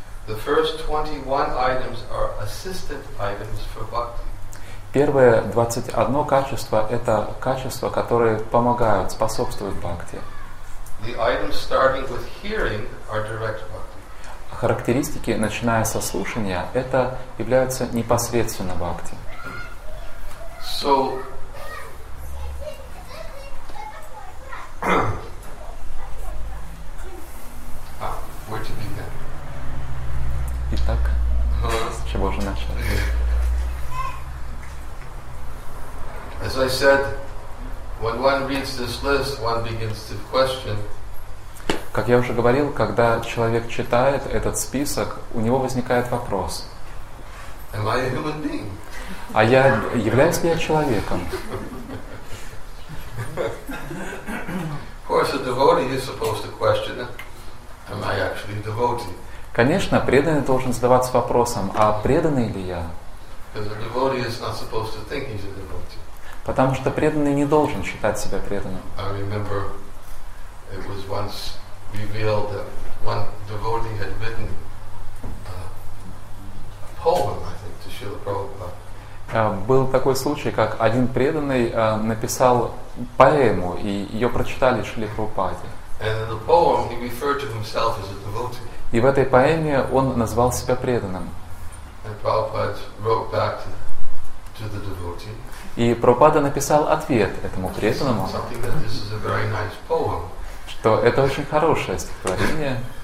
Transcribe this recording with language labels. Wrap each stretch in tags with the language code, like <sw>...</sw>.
<en>The first 21 items are assistant items for bhakti.</en> <ru>Первое 21 качество – это качества, которые помогают, способствуют бхакти.</ru> <en>The items starting with hearing are direct bhakti.</en> <ru>Характеристики, начиная со слушания, это являются непосредственно бхакти.</ru> <en>So, where to begin?</en> <ru>Итак, с чего же начать?</ru> <en>As I said, when one reads this list, one begins to question.</en> <ru>Как я уже говорил, когда человек читает этот список, у него возникает вопрос.</ru> <en>Am I a human being?</en> <ru>А я являюсь ли я человеком?</ru> <en>Of course, a devotee is supposed to question it. Am I actually a devotee?</en> <ru>Конечно, преданный должен задаваться вопросом, а преданный ли я?</ru> <en>Because a devotee is not supposed to think he's a devotee.</en> <ru>Потому что преданный не должен считать себя преданным.</ru> <en>I remember it was once revealed that one devotee had written a poem, I think, to Srila Prabhupada.</en> <ru>Был такой случай, как один преданный написал поэму, и ее прочитали Шри Прабхупаде.</ru> <en>And in the poem he referred to himself as a devotee.</en> <ru>И в этой поэме он назвал себя преданным.</ru> <en>And Prabhupada wrote back to the devotee.</en> <ru>И Прабхупада написал ответ этому преданному,</ru> <en>nice,</en> <ru>что это очень хорошее стихотворение.</ru>